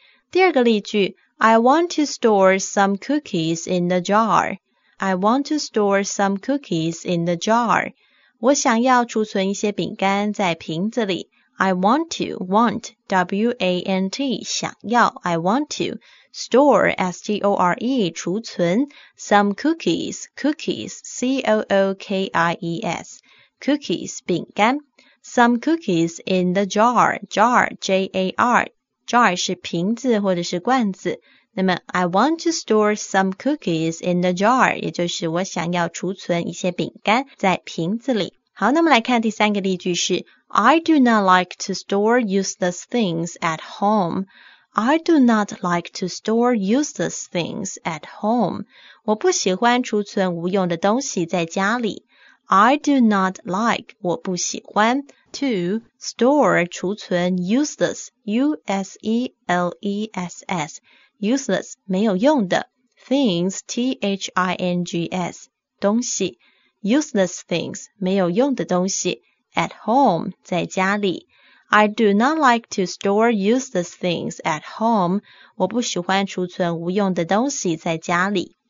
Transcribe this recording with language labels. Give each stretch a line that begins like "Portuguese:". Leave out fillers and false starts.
Chinese: 第二个例句
English: I want to store some cookies in the jar. I want to store some cookies in the jar.
Chinese: 我想要储存一些饼干在瓶子里。
English: I want to, want, W-A-N-T,
Chinese: 想要
English: I want to, store, S-T-O-R-E,
Chinese: 储存
English: some cookies, cookies, C-O-O-K-I-E-S, cookies,
Chinese: 饼干
English: some cookies in the jar, jar, J-A-R, jar
Chinese: 是瓶子或者是罐子。那么
English: I want to store some cookies in the jar,
Chinese: 也就是我想要储存一些饼干在瓶子里。好，那么来看第三个例句是
English: I do not like to store useless things at home. I do not like to store useless things at home.
Chinese: 我不喜欢储存无用的东西在家里。
English: I do not like,
Chinese: 我不喜欢
English: to store,
Chinese: 储存
English: useless, U-S-E-L-E-S-S,useless,
Chinese: 没有用的
English: things, T-H-I-N-G-S,
Chinese: 东西
English: useless things,
Chinese: 没有用的东西
English: at home,
Chinese: 在家里
English: I do not like to store useless things at home,
Chinese: 我不喜欢储存无用的东西在家里。